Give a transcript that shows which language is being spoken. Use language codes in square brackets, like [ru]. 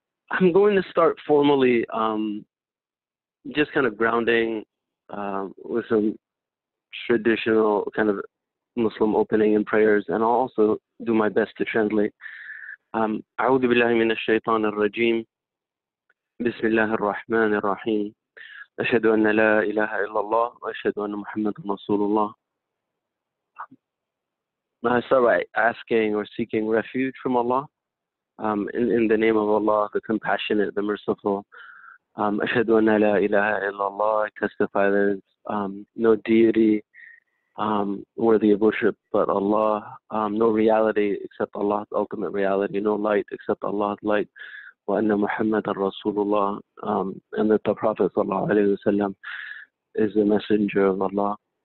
[en] I'm going to start formally, just kind of grounding with some traditional kind of Muslim opening and prayers, and I'll also do my best to translate. [ar] أعوذ بالله من الشيطان الرجيم بسم الله الرحمن الرحيم أشهد أن لا إله إلا الله وأشهد أن محمد رسول الله. [en] I start by asking or seeking refuge from Allah, in the name of Allah, the Compassionate, the Merciful. [ar] أشهد أن لا إله إلا الله. [en] I testify there's no deity worthy of worship but Allah, no reality except Allah's ultimate reality, no light except Allah's light, [ar] wa anna Muhammadan Rasulullah, [en] and that the Prophet [ar] sallallahu alayhi wasallam [en] is the messenger of Allah.